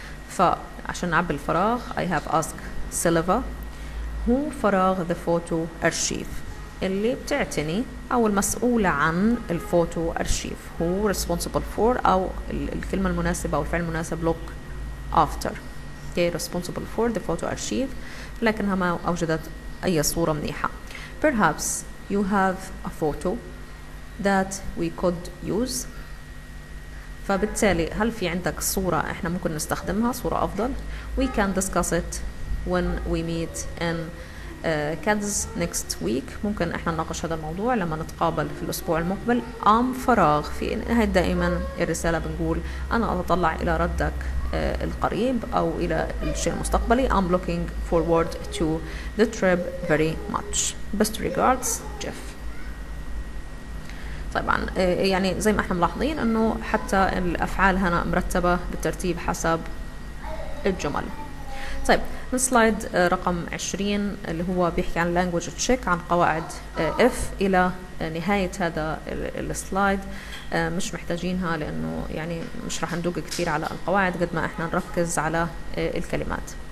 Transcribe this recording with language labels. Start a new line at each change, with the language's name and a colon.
Arabic: فعشان عب الفراغ
English: I have asked Sylvia
Arabic: هو فراغ
English: the photo archive
Arabic: اللي بتعتني أو المسؤولة عن الفوتو أرشيف هو responsible for أو الكلمة المناسبة أو الفعل المناسب
English: look after okay, responsible for the photo archive
Arabic: لكنها ما أوجدت أي صورة منيحة.
English: Perhaps you have a photo that we could use.
Arabic: فبالتالي هل في عندك صورة إحنا ممكن نستخدمها صورة أفضل.
English: We can discuss it when we meet in kids next week.
Arabic: ممكن احنا نناقش هذا الموضوع لما نتقابل في الأسبوع المقبل. أم فراغ في نهاية دائما الرسالة بنقول أنا أتطلع إلى ردك القريب أو إلى الشيء المستقبلي.
English: I'm looking forward to the trip very much. Best regards, Jeff.
Arabic: طبعا يعني زي ما احنا ملاحظين أنه حتى الأفعال هنا مرتبة بالترتيب حسب الجمل. طيب من سلايد رقم 20 اللي هو بيحكي عن language check عن قواعد F إلى نهاية هذا السلايد مش محتاجينها لأنه يعني مش راح ندوق كثير على القواعد قد ما احنا نركز على الكلمات.